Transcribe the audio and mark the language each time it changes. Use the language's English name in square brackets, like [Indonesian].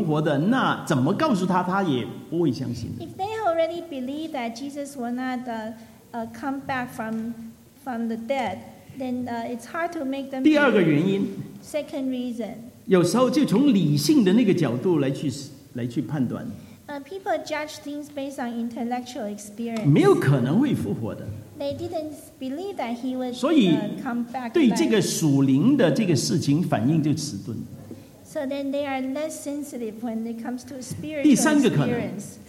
[Chinese] 如果他们头脑里面就一直都是耶稣不会复活的，那怎么告诉他，他也不会相信的。 [English] If they already believe that Jesus will not come back from the dead, then it's hard to make them. [Chinese] 第二个原因, [English] second reason. [Chinese] 有时候就从理性的那个角度来去判断。 [English] People judge things based on intellectual experience. [Chinese] 没有可能会复活的。 [English] They didn't believe that he would [Chinese] 所以, [English] come back. [Chinese] 对这个属灵的这个事情反应就迟钝。 [English] So then they are less sensitive when it comes to spiritual experience.